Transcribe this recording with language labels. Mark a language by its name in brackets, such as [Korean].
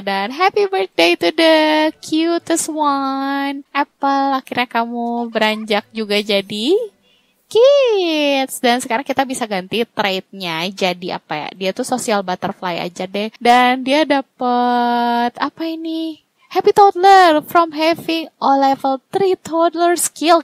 [English] Dan happy birthday to the cutest one, Apple. [Indonesian] Akhirnya kamu beranjak juga jadi kids. Dan sekarang kita bisa ganti trait-nya jadi apa ya? Dia tuh [English] social butterfly [Indonesian] aja deh. Dan dia dapet apa ini? [English] Happy toddler from having all level 3 toddler skill.